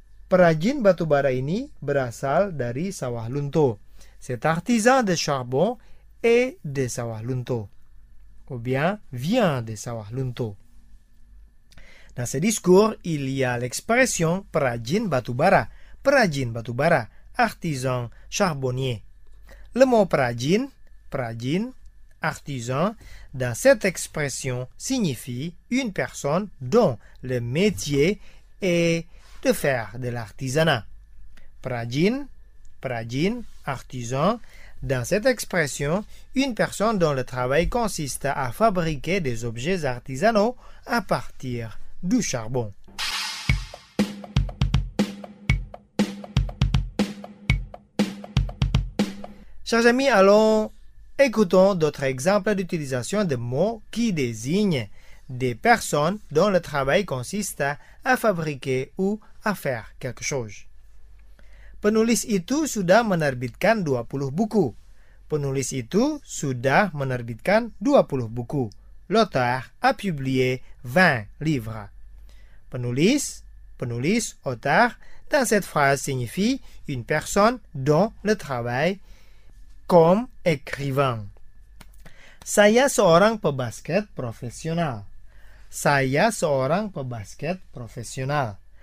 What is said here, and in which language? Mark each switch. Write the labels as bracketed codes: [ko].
[id] Prajin batubara ini berasal dari Sawahlunto. [fr] Cet artisan de charbon est de Sawahlunto. Ou bien vient de Sawahlunto. Dans ce discours, il y a l'expression Prajin batubara. Prajin batubara, artisan charbonnier. Le mot prajin, prajin, artisan, dans cette expression signifie une personne dont le métier est de faire de l'artisanat. Prajin, prajin, artisan, dans cette expression, une personne dont le travail consiste à fabriquer des objets artisanaux à partir du charbon. Chers amis, allons écoutons d'autres exemples d'utilisation de mots qui désignent des personnes dont le travail consiste à fabriquer ou à faire quelque chose. [id] Penulis itu sudah menerbitkan 20 buku. Penulis itu sudah menerbitkan 20 buku. [fr] L'auteur a publié 20 livres. Penulis, auteur, dans cette phrase signifie une personne dont le travail comme écrivain. [id] Saya seorang pebasket profesional. Saya seorang pebasket profesional.